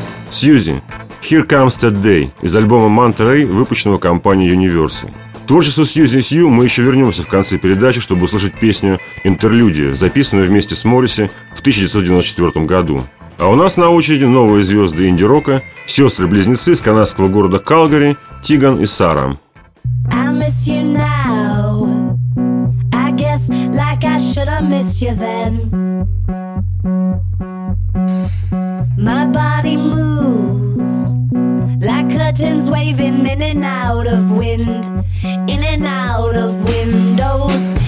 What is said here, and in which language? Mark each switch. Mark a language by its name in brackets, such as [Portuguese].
[Russian] Suzy – Here Comes That Day из альбома Monterey, выпущенного компанией Universal. К творчеству Suzy & Sue мы еще вернемся в конце передачи, чтобы услышать песню «Интерлюдия», записанную вместе с Морриси в 1994 году. А у нас на очереди новые звезды инди-рока, сестры-близнецы из канадского города Калгари, Тиган и Сара. [English] I miss you now. I guess like I should have missed you then. My body moves like curtains waving in and out of wind, in and out of windows.